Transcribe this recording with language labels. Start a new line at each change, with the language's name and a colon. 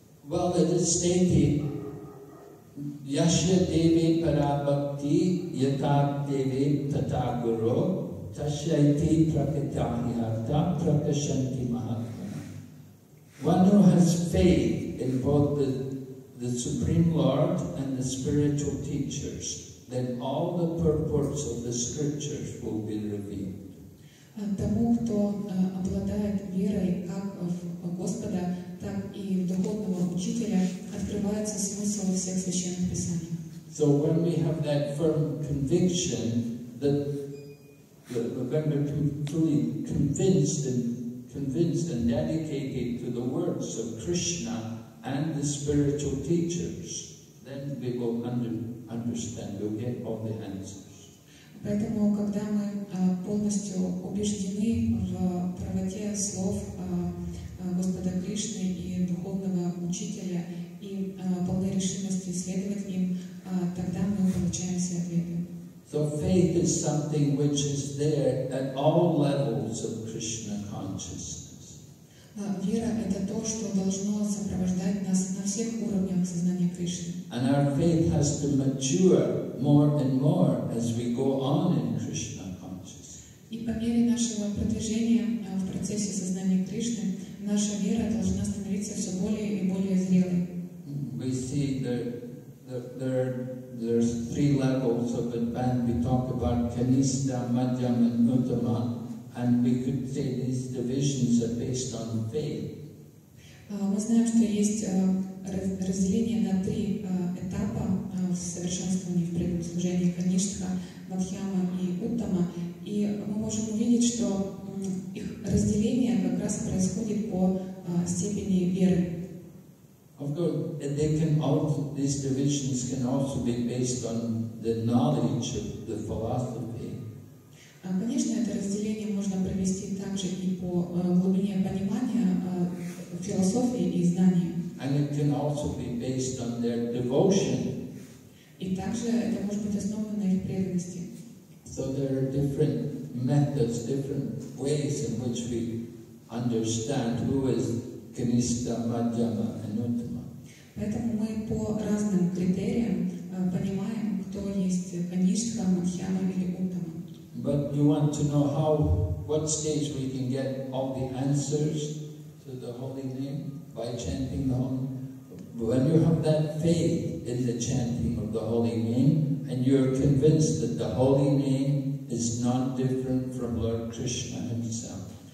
Sanskrit: Well, it is stated, Yasya Devi Parabhakti Yata Devi Tata Guru Tasya Iti Prakatyahyata Prakashanti Mahatma.
English: One who has faith in both the Supreme Lord and the spiritual teachers, then all the purports of the scriptures will be revealed.
Russian: Тому, хто обладает верой как в Господа, так и в духовного учителя, открывается смысл всех священных писаний.
English: So when we have that firm conviction that when we're fully convinced and dedicated to the words of Krishna and the spiritual teachers, then we will understand, we'll get all the answers.
Russian: Поэтому, когда мы полностью убеждены в правоте слов Господа Кришны и духовного учителя и полной решимости следовать им, тогда мы получаем все ответы.
English: So faith is something which is there at all levels of Krishna consciousness.
Russian: Вера — это то, что должно сопровождать нас на всех уровнях сознания Кришны.
English: And our faith has to mature more and more as we go on in Krishna consciousness.
Russian: И по мере нашего продвижения в процессе сознания Кришны наша вера должна становиться все более и более зрелой.
English: We see there's three levels of advanced. We talk about Kanista, Madhyam, and Uttama, and we could say these divisions are based on faith.
Russian: Мы знаем, что есть разделение на три этапа в совершенствовании в предослужении: Каништа, Мадхьяма и Уттама. И мы можем увидеть, что их разделение как раз происходит по степени веры.
English: Of course, they can also, these divisions can also be based on the knowledge of the philosophy.
Russian: Конечно, это разделение можно провести также и по глубине понимания философии и знания.
English: And it can also be based on their devotion.
Russian: И также это может быть основано на их преданности.
English: So there are different methods, different ways in which we understand who is Kanista, Madhyama, and Uttama.
Russian: Поэтому мы по разным критериям понимаем, кто есть Канишха, Мадхьяма или Уттама.
English: But you want to know how, what stage we can get all the answers to the holy name by chanting the holy name? When you have that faith in the chanting of the holy name, and you are convinced that the holy name is not different from Lord Krishna himself.